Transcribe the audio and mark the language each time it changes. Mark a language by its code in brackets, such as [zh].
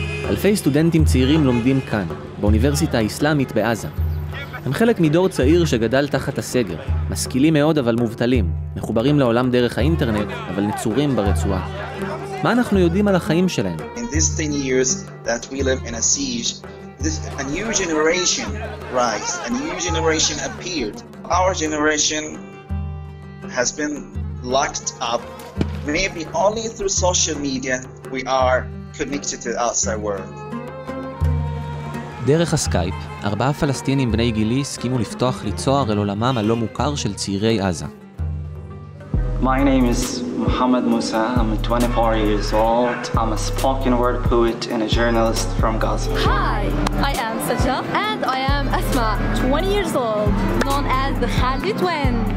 [he] אלפי סטודנטים צעירים לומדים כאן, באוניברסיטה האסלאמית בעזה. הם חלק מדור צעיר שגדל תחת הסגר, משכילים מאוד אבל מובטלים, מחוברים לעולם דרך האינטרנט, אבל נצורים ברצועה. מה אנחנו יודעים על החיים שלהם? [en] In these 10 years that we live in a siege, this, a new generation rise, a new generation appeared. Our generation has been locked up. Maybe only through social media we are connected to the outside world. [he] דרך הסקייפ, ארבעה פלסטינים בני גילי הסכימו לפתוח ליצוער אל עולמם הלא מוכר של צעירי עזה. [en] My name is Mohammed Musa. I'm 24 years old. I'm a spoken word poet and a journalist from Gaza. Hi, I am Sajah. And I am Asma, 20 years old, known as the Khaldi Twin.